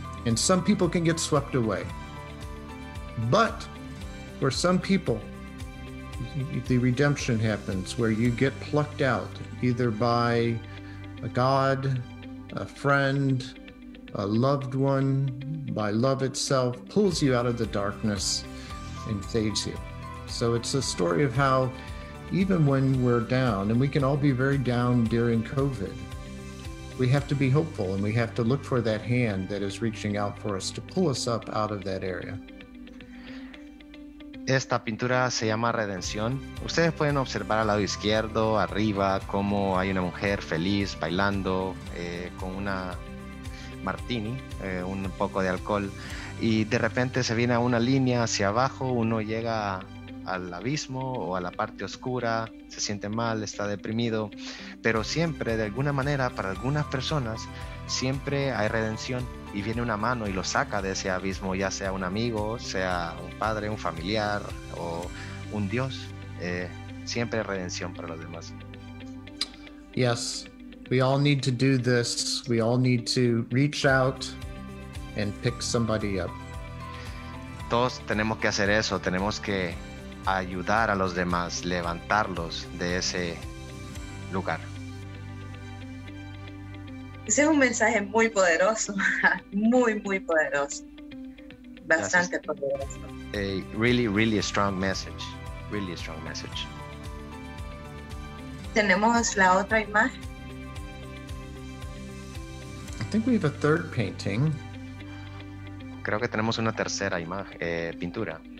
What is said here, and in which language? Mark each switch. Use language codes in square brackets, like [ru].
[en] And some people can get swept away. But for some people, the redemption happens where you get plucked out either by a god, a friend, a loved one, by love itself, pulls you out of the darkness and saves you. So it's a story of how even when we're down, and we can all be very down during COVID, we have to be hopeful and we have to look for that hand that is reaching out for us to pull us up out of that area. [es] Esta pintura se llama Redención. Ustedes pueden observar al lado izquierdo, arriba, cómo hay una mujer feliz bailando con una martini, un poco de alcohol, y de repente se viene una línea hacia abajo, uno llega al abismo o a la parte oscura, se siente mal, está deprimido, pero siempre, de alguna manera, para algunas personas, siempre hay redención y viene una mano y lo saca de ese abismo, ya sea un amigo, sea un padre, un familiar o un Dios. Siempre hay redención para los demás. [en] Yes, we all need to do this. We all need to reach out and pick somebody up. [es] Todos tenemos que hacer eso. Tenemos que ayudar a los demás, levantarlos de ese lugar. Ese es un mensaje muy poderoso, muy, muy poderoso, bastante poderoso. [en] A really, really strong message, really strong message. [es] ¿Tenemos la otra imagen? [en] I think we have a third painting. [es] Creo que tenemos una tercera imagen, pintura.